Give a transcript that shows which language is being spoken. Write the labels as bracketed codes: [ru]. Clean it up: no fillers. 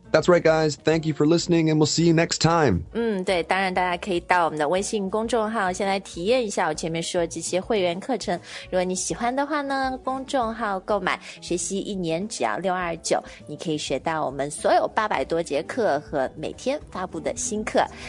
[en] That's right, guys. Thank you for listening, and we'll see you next time. [zh] 对，当然大家可以到我们的微信公众号先来体验一下我前面说这些会员课程。如果你喜欢的话呢，公众号购买学习一年只要629，你可以学到我们所有800多节课和每天发布的新课。